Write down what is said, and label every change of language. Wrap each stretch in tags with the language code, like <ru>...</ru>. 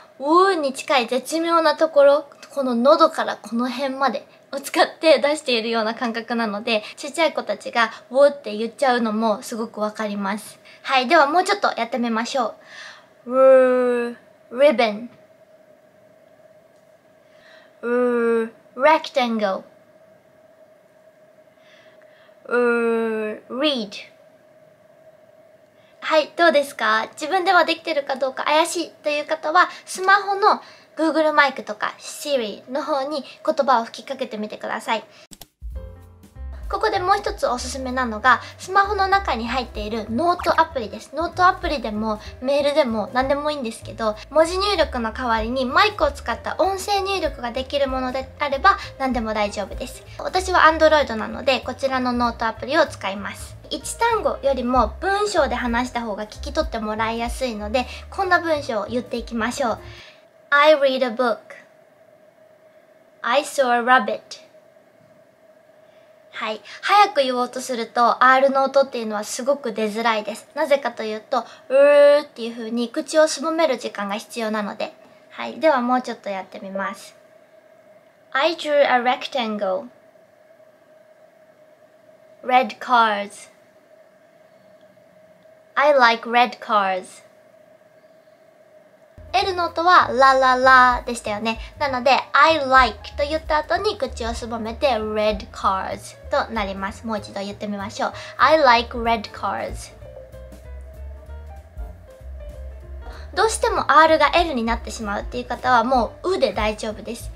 <ja>うーに近い絶妙なところ、この喉からこの辺までを使って出しているような感覚なので、ちっちゃい子たちがうーって言っちゃうのもすごくわかります。はい、ではもうちょっとやってみましょう。</ja> <en>うー、 ribbon。うー、 rectangle。</en> <ja>うー、 readはい、どうですか？自分ではできてるかどうか怪しいという方は、スマホの Google マイクとか Siri の方に言葉を吹きかけてみてください。ここでもう一つおすすめなのが、スマホの中に入っているノートアプリです。ノートアプリでもメールでも何でもいいんですけど、文字入力の代わりにマイクを使った音声入力ができるものであれば何でも大丈夫です。私は Android なのでこちらのノートアプリを使います。 1単語よりも文章で話した方が聞き取ってもらいやすいので、こんな文章を言っていきましょう。</ja> <en>I read a book. I saw a rabbit.</en> <ja>はい、早く言おうとすると R の音っていうのはすごく出づらいです。なぜかというと、うーっていう風に口をすぼめる時間が必要なので。はい、ではもうちょっとやってみます。</ja> <en>I drew a rectangle. Red carsI like red cars. L</en> <ja>の音はラララでしたよね。なので I like と言った後に口をすぼめて red cars となります。もう一度言ってみましょう。</ja> <en>I like red cars。</en> <ja>どうしても R が L になってしまうっていう方はもう U で大丈夫です。</ja>